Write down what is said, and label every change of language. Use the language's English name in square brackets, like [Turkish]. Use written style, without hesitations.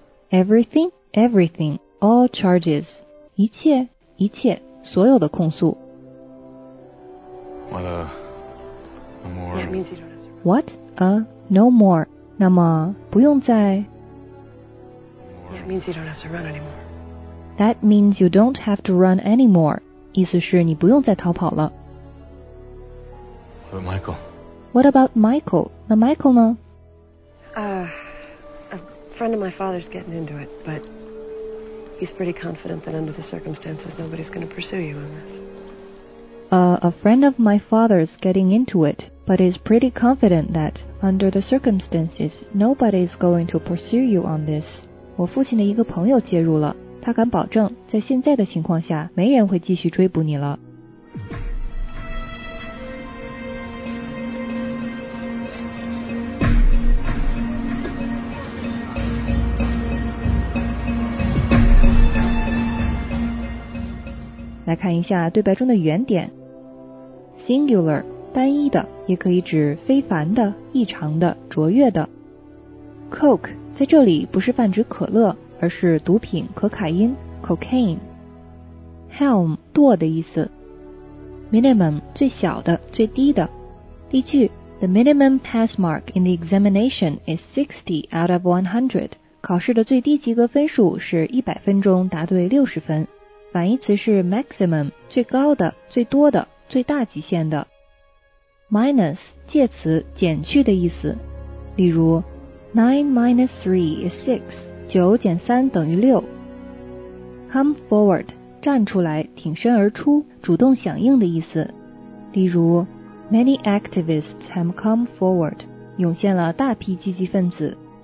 [English] Everything? Everything. All charges. [Chinese] 一切，一切，所有的控诉。 [English] What a... Yeah, it means you don't have to run. What? No more. [Chinese] 那么不用再 [English] Yeah, it means you don't have to run anymore. That means you don't have to run anymore. [Chinese] 意思是你不用再逃跑了。 [English] What about Michael? What about Michael? [Chinese] 那 Michael 呢？ [English] A friend of my father's getting into it, but he's pretty confident that under the circumstances nobody's going to pursue you on this. A friend of my father's getting into it, but is pretty confident that, under the circumstances, nobody is going to pursue you on this. [Chinese] 我父亲的一个朋友介入了，他敢保证，在现在的情况下，没人会继续追捕你了。来看一下对白中的语言点。 Singular, 单一的，也可以指非凡的、异常的、卓越的。 Coke, 在这里不是泛指可乐，而是毒品可卡因 cocaine。 Helm, 舵的意思。Minimum, 最小的、最低的。例句 [English] ,The minimum pass mark in the examination is 60 out of 100. [Chinese] 考试的最低及格分数是100分钟答对60分。反义词是 maximum, 最高的、最多的。最大极限的 minus 介词减去的意思例如 9-3=6 9-3=6 come forward 站出来挺身而出主动响应的意思例如 [English] many activists have come forward [Chinese] 涌现了大批积极分子